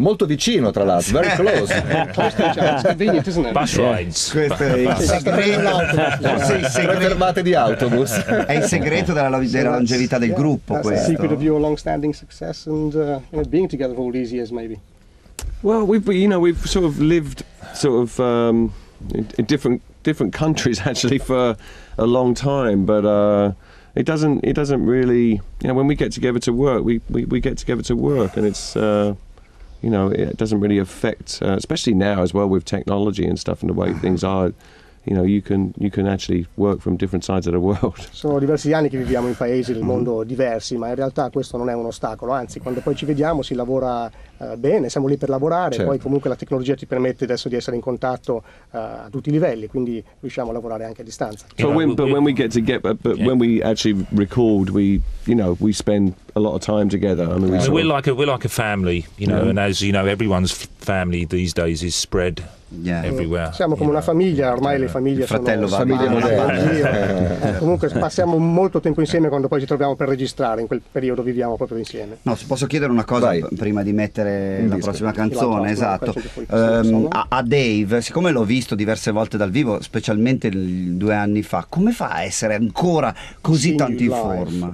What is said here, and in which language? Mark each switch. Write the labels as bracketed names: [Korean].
[Italian] Molto vicino, tra l'altro. [English] Very close. Bus rides. [Italian] Tre fermate di autobus. È il segreto della longevità del gruppo, questo. [English] That's the secret of your long-standing success and being together for all these years, maybe. Well, we've sort of lived sort of in different countries actually for a long time, but it doesn't really, you know, when we get together to work, we get together to work, and it's you know, it doesn't really affect, especially now as well with technology and stuff and the way things are, you know, you can actually work from different sides of the world. [Italian] Sono diversi anni che viviamo in paesi del mondo diversi, ma in realtà questo non è un ostacolo, anzi quando poi ci vediamo si lavora bene, siamo lì per lavorare, certo. Poi comunque la tecnologia ti permette adesso di essere in contatto a tutti i livelli, quindi riusciamo a lavorare anche a distanza. [English] So when we actually record, we spend a lot of time together. I mean, we're like a family, you know, and as you know, everyone's family these days is spread everywhere. [Italian] Siamo come una famiglia, ormai le famiglie fratello sono famiglia moderna. Comunque passiamo molto tempo insieme quando poi ci troviamo per registrare, in quel periodo viviamo proprio insieme. No, posso chiedere una cosa prima di mettere la prossima canzone, esatto. A Dave, siccome l'ho visto diverse volte dal vivo, specialmente 2 anni fa, come fa a essere ancora così tanto in forma?